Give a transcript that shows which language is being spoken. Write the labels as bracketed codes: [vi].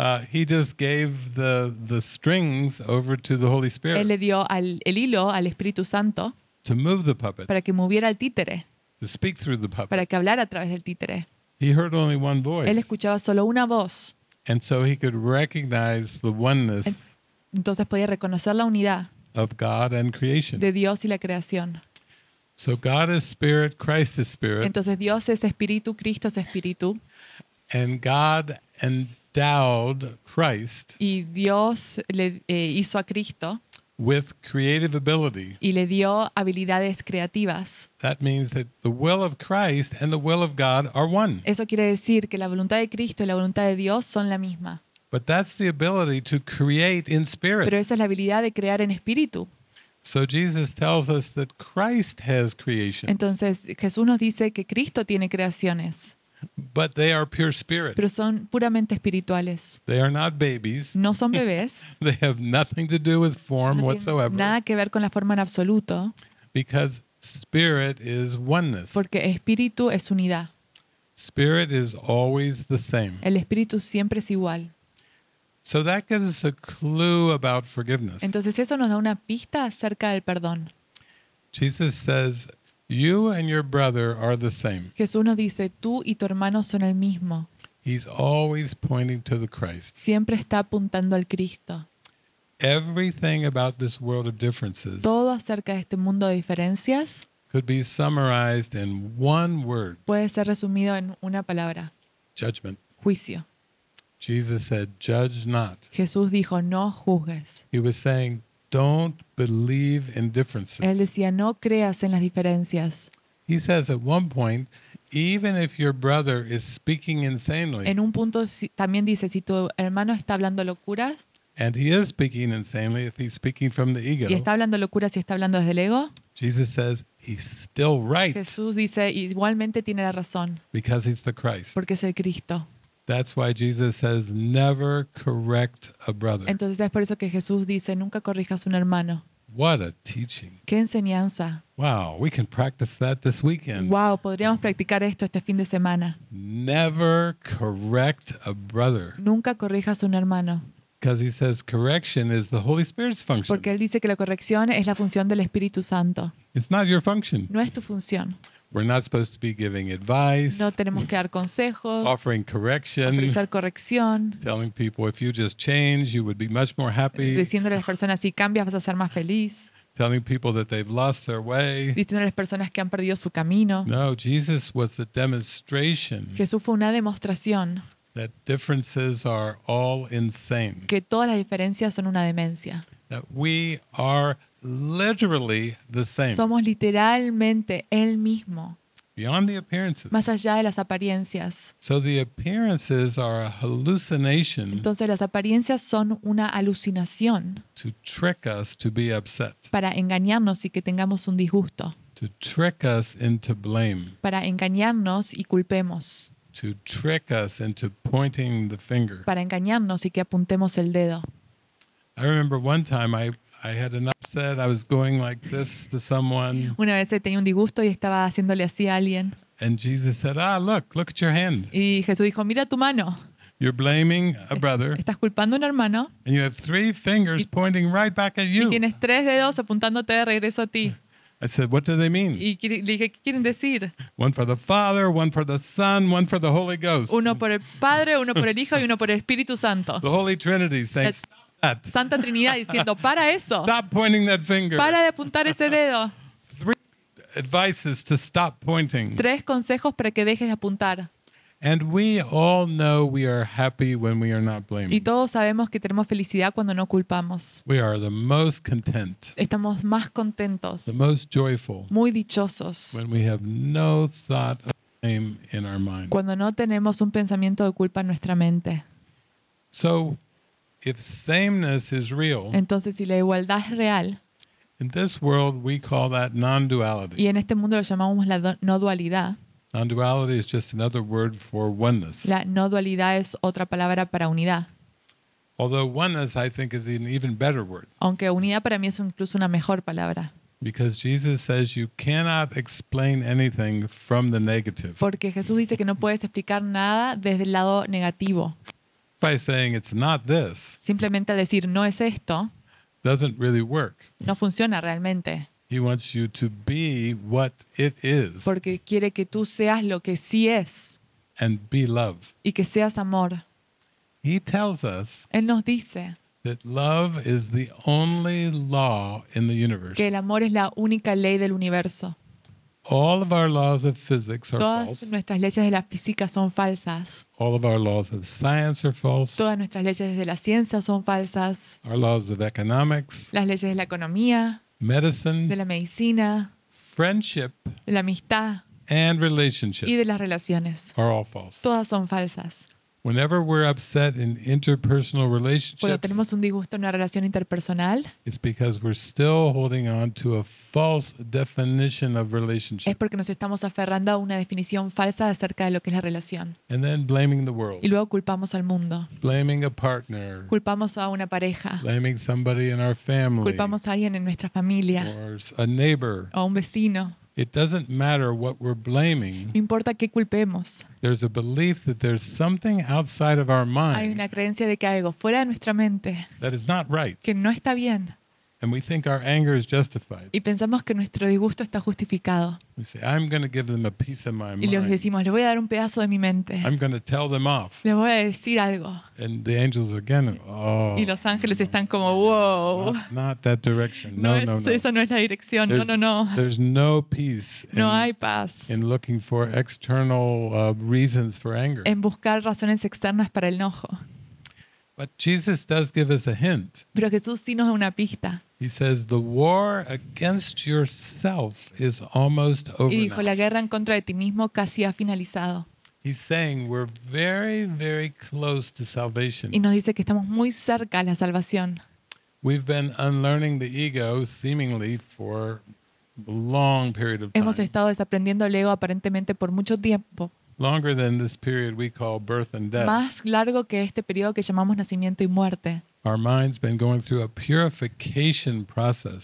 [en] He just gave the strings over to the Holy Spirit. [es] Él le dio el hilo al Espíritu Santo. [en] To move the puppet. [es] Para que moviera el títere. [en] To speak through the puppet. [es] Para que hablara a través del títere. [en] He heard only one voice. [es] Él escuchaba solo una voz. [en] And so he could recognize the oneness. [es] Entonces podía reconocer la unidad. [en] Of God and creation. [es] De Dios y la creación. [en] So God is spirit, Christ is spirit. [es] Entonces Dios es espíritu, Cristo es espíritu. [en] And God and endowed Christ. [es] Y Dios le hizo a Cristo. [en] With creative ability. [es] Y le dio habilidades creativas. [en] That means that the will of Christ and the will of God are one. [es] Eso quiere decir que la voluntad de Cristo y la voluntad de Dios son la misma. [en] But that's the ability to create in spirit. [es] Pero esa es la habilidad de crear en espíritu. [en] So Jesus tells us that Christ has creations. [es] Entonces Jesús nos dice que Cristo tiene creaciones. [en] But they are pure spirit. [es] Pero son puramente espirituales. [en] They are not babies. [es] No son bebés. [en] They have nothing to do with form whatsoever. [es] Nada que ver con la forma en absoluto. [en] Because spirit is oneness. [es] Porque espíritu es unidad. [en] Spirit is always the same. [es] El espíritu siempre es igual. [en] So that gives us a clue about forgiveness. [es] Entonces eso nos da una pista acerca del perdón. [en] Jesus says, "You and your brother are the same." [es] Jesús nos dice, tú y tu hermano son el mismo. [en] He's always pointing to the Christ. [es] Siempre está apuntando al Cristo. [en] Everything about this world of differences. [es] Todo acerca de este mundo de diferencias. [en] Could be summarized in one word. [es] Puede ser resumido en una palabra. [en] Judgment. [es] Juicio. [en] Jesus said, "Judge not." [es] Jesús dijo, "No juzgues." [en] He was saying, "Don't believe in differences." [es] Él decía, "No creas en las diferencias." [en] He says at one point, "Even if your brother is speaking insanely." [es] En un punto también dice, si tu hermano está hablando locuras. [en] And he is speaking insanely if he's speaking from the ego. [es] Y está hablando locuras si está hablando desde el ego. [en] Jesus says, "He's still right." [es] Jesús dice, igualmente tiene la razón. [en] Because he's the Christ. [es] Porque es el Cristo. [en] That's why Jesus says, "Never correct a brother." [es] Entonces es por eso que Jesús dice, nunca corrijas a un hermano. [en] What a teaching. [es] Qué enseñanza. [en] Wow, we can practice that this weekend. [es] Wow, podríamos practicar esto este fin de semana. [en] Never correct a brother. [es] Nunca corrijas a un hermano. [en] Because he says correction is the Holy Spirit's function. [es] Porque él dice que la corrección es la función del Espíritu Santo. [en] It's not your function. [es] No es tu función. [en] We're not supposed to be giving advice. [es] No tenemos que dar consejos. [en] Offering correction. [es] Ofrecer corrección. [en] Telling people if you just change, you would be much more happy. [es] Diciéndole a las personas si cambias vas a ser más feliz. [en] Telling people that they've lost their way. [es] Diciendo a las personas que han perdido su camino. [en] No, Jesus was the demonstration. [es] Jesús fue una demostración. [en] That differences are all insane. [es] Que todas las diferencias son una demencia. [en] That we are literally the same. [es] Somos literalmente el mismo. [en] Beyond the appearances. [es] Más allá de las apariencias. [en] So the appearances are a hallucination. [es] Entonces las apariencias son una alucinación. [en] To trick us to be upset. [es] Para engañarnos y que tengamos un disgusto. [en] To trick us into blame. [es] Para engañarnos y culpemos. [en] To trick us into pointing the finger. [es] Para engañarnos y que apuntemos el dedo. [en] I remember one time I had an upset. I was going like this to someone. [es] Una vez tenía un disgusto y estaba haciéndole así a alguien. [en] And Jesus said, "Ah, look at your hand." [es] Y Jesús dijo, "Mira tu mano." [en] You're blaming a brother. [es] Estás culpando a un hermano. [en] And you have three fingers pointing right back at you. [es] Y tienes tres dedos apuntándote de regreso a ti. [en] I said, "What do they mean?" [es] Y le dije, ¿qué quieren decir? [en] One for the Father, one for the Son, one for the Holy Ghost. [es] Uno por el Padre, uno por el Hijo y uno por el Espíritu Santo. [en] The Holy Trinity saying, "Stop that." [es] Santa Trinidad diciendo, para eso. [en] Stop pointing that finger. [es] Para de apuntar ese dedo. [en] Three advices to stop pointing. [es] Tres consejos para que dejes de apuntar. [en] And we all know we are happy when we are not blaming. [es] Y todos sabemos que tenemos felicidad cuando no culpamos. [en] We are the most content. [es] Estamos más contentos. [en] The most joyful. [es] Muy dichosos. [en] When we have no thought of blame in our mind. [es] Cuando no tenemos un pensamiento de culpa en nuestra mente. [en] So, if sameness is real. [es] Entonces, si la igualdad es real. [en] In this world, we call that non-duality. [es] Y en este mundo lo llamamos la no dualidad. [en] Non-duality is just another word for oneness. [es] La no dualidad es otra palabra para unidad. [en] Although oneness, I think, is an even better word. [es] Aunque unidad para mí es incluso una mejor palabra. [en] Because Jesus says you cannot explain anything from the negative. [es] Porque Jesús dice que no puedes explicar nada desde el lado negativo. [en] By saying it's not this. [es] Simplemente decir no es esto. [en] Doesn't really work. [es] No funciona realmente. [en] He wants you to be what it is. [es] Porque quiere que tú seas lo que sí es. [en] And be love. [es] Y que seas amor. [en] He tells us. [es] Él nos dice. [en] That love is the only law in the universe. [es] Que el amor es la única ley del universo. [en] All of our laws of physics are [es] Todas [en] false. [es] Todas nuestras leyes de la física son falsas. [en] All of our laws of science are false. [es] Todas nuestras leyes de la ciencia son falsas. [en] Our laws of economics. [es] Las leyes de la economía. [en] Medicine, [es] de la medicina, [en] friendship, [es] de la amistad, [en] and relationship, [es] y de las relaciones, [en] are all false. [es] Todas son falsas. [en] Whenever we're upset in interpersonal relationships, [es] cuando tenemos un disgusto en una relación interpersonal, [en] it's because we're still holding on to a false definition of relationship. [es] Es porque nos estamos aferrando a una definición falsa acerca de lo que es la relación. [en] And then blaming the world. [es] Y luego culpamos al mundo. [en] Blaming a partner. [es] Culpamos a una pareja. [en] Blaming somebody in our family. [es] Culpamos a alguien en nuestra familia. [en] Or a neighbor. [es] O un vecino. [en] It doesn't matter what we're blaming. [es] No importa qué culpemos. [en] There's a belief that there's something outside of our mind. [es] Hay una creencia de que hay algo fuera de nuestra mente. [en] That is not right. [es] Que no está bien. [en] And we think our anger is justified. [es] Y pensamos que nuestro disgusto está justificado. [en] We say, I'm going to give them a piece of my mind. [es] Y les decimos, le voy a dar un pedazo de mi mente. [en] I'm going to tell them off. [es] Le voy a decir algo. [en] And the angels again. Oh. [es] Y los ángeles están como, wow. [en] Not that direction. No, no, [es] no. Esa no es la dirección. No, no, no. [en] There's no peace. [es] No hay paz. [en] In looking for external reasons for anger. [es] En buscar razones externas para el enojo. [en] But Jesus does give us a hint. [es] Pero Jesús sí nos da una pista. [en] He says the war against yourself is almost over. [es] Y dijo, la guerra en contra de ti mismo casi ha finalizado. [en] He's saying we're very, very close to salvation. [es] Y nos dice que estamos muy cerca a la salvación. [en] We've been unlearning the ego seemingly for a long period of time. [es] Hemos estado desaprendiendo el ego aparentemente por mucho tiempo. [en] Longer than this period we call birth and death. [es] Más largo que este periodo que llamamos nacimiento y muerte. [en] Our mind's been going through a purification process.